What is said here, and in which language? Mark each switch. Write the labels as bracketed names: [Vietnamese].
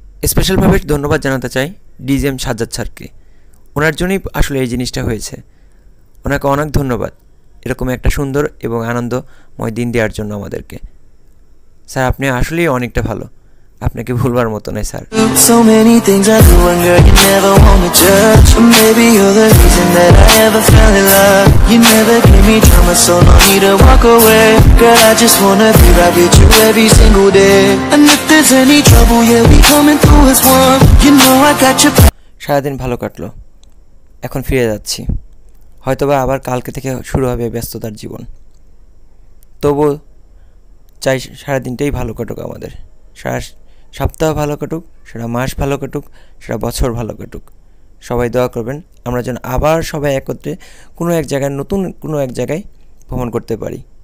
[Bangla] স্পেশালভাবে ধন্যবাদ জানাতে চাই ডিজিএম সাজ্জাদ স্যারকে, ওনার জন্যই আসলে এই জিনিসটা হয়েছে। ওনাকে অনেক ধন্যবাদ এরকম একটা সুন্দর এবং আনন্দময় দিন দেওয়ার জন্য আমাদেরকে। স্যার আপনি আসলেই অনেকটা ভালো, আপনাকে ভুলবার মতো নয় sir. [English] So many things I do and girl, you never want to judge. But maybe you're the reason that I ever fell in love. You never gave me drama, so no need to walk away. Girl, I just wanna be right with you every single day. And if there's any trouble, yeah, we coming through as one. You know I got your back. [Bangla] সারাদিন ভালো কাটলো, এখন ফিরে যাচ্ছি। হয়তোবা আবার কালকে থেকে শুরু হবে ব্যস্ততার জীবন, তবু চাই সারাদিনটাই ভালো কাটুক আমাদের। সারা সপ্তাহ ভালো কাটুক, সারা মাস ভালো কাটুক, সারা বছর ভালো কাটুক। সবাই দোয়া করবেন আমরা যেন আবার সবাই একত্রে কোনো এক জায়গায়, নতুন কোনো এক জায়গায় ভ্রমণ করতে পারি।